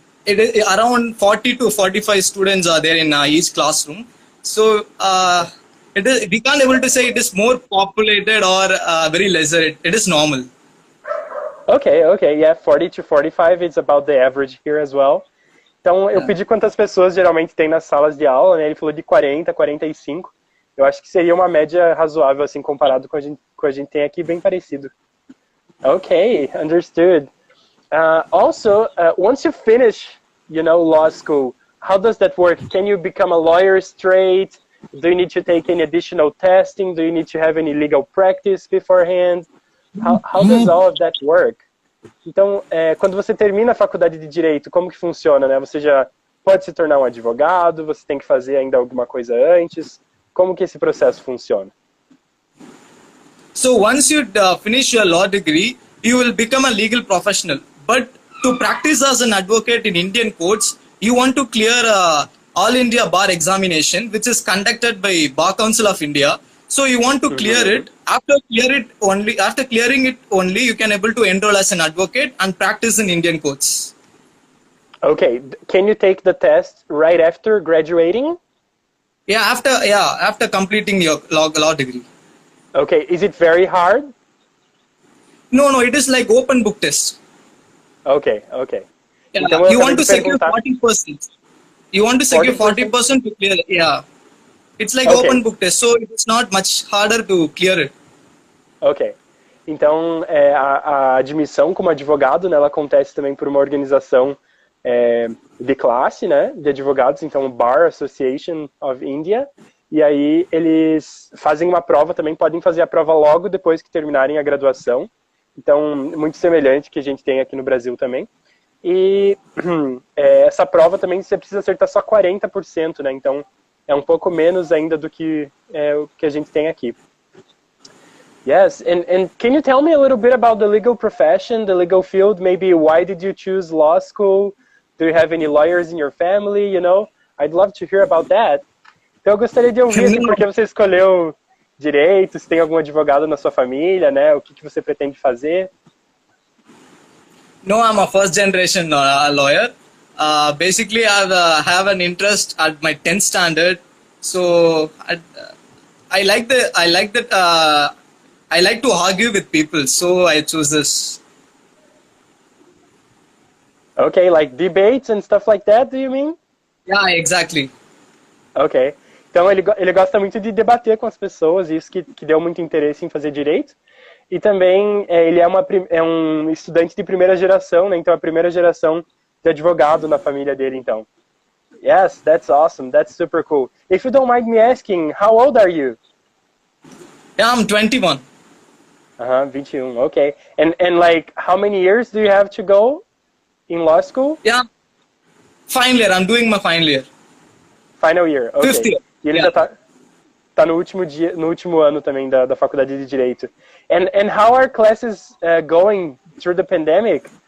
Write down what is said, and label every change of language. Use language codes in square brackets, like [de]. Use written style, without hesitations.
[en] It is around 40 to 45 students are there in each classroom. So we can't able to say it is more populated or very lesser. It is normal. Okay, okay. Yeah, 40 to 45 is about the average here as well. [pt] Então, eu pedi quantas pessoas geralmente tem nas salas de aula, né? Ele falou de 40, 45. Eu acho que seria uma média razoável, assim, comparado com a gente tem aqui, bem parecido. [en] Okay, understood. Once you finish, you know, law school, how does that work? Can you become a lawyer straight? Do you need to take any additional testing? Do you need to have any legal practice beforehand? How does all of that work? [pt] Então, quando você termina a faculdade de direito, como que funciona, né? Você já pode se tornar um advogado, você tem que fazer ainda alguma coisa antes. Como que esse processo funciona? [en] So, once you finish your law degree, you will become a legal professional. But to practice as an advocate in Indian courts, you want to clear All India Bar Examination, which is conducted by Bar Council of India. So you want to clear it. After clearing it only, you can able to enroll as an advocate and practice in Indian courts. Okay. Can you take the test right after graduating? After completing your law degree. Okay. Is it very hard? No, it is like open book test. Okay, okay. Yeah, you want to secure 40%. You want to secure 40% to clear it. Yeah. It's like open book test, so it's not much harder to clear it. Okay. [pt] Então, a admissão como advogado, né, ela acontece também por uma organização de classe, né, de advogados, então Bar Association of India. E aí eles fazem uma prova também, podem fazer a prova logo depois que terminarem a graduação. Então, muito semelhante que a gente tem aqui no Brasil também. E essa prova também você precisa acertar só 40%, né? Então, é um pouco menos ainda do que o que a gente tem aqui. [en] Yes, and can you tell me a little bit about the legal profession, the legal field? Maybe why did you choose law school? Do you have any lawyers in your family, you know? I'd love to hear about that. [pt] Então, eu gostaria de ouvir por que você escolheu direito, se tem algum advogado na sua família, né? O que que você pretende fazer? [en] No, I'm a first generation lawyer. Basically, I have an interest at my 10th standard. So, I like to argue with people. So, I choose this. Okay, like debates and stuff like that, do you mean? Yeah, exactly. Okay. [pt] Então, ele gosta muito de debater com as pessoas, isso que deu muito interesse em fazer direito. E também, ele é um estudante de primeira geração, né? Então, a primeira geração de advogado na família dele, então. [en] Yes, that's awesome, that's super cool. If you don't mind me asking, how old are you? Yeah, I'm 21. Uh-huh, 21, okay. And like, how many years do you have to go in law school? Yeah, final year, I'm doing my final year. Final year, okay. Fifth year. [pt] E ele já tá no último dia, no último ano também da faculdade de direito. [en] And how are classes going through the pandemic?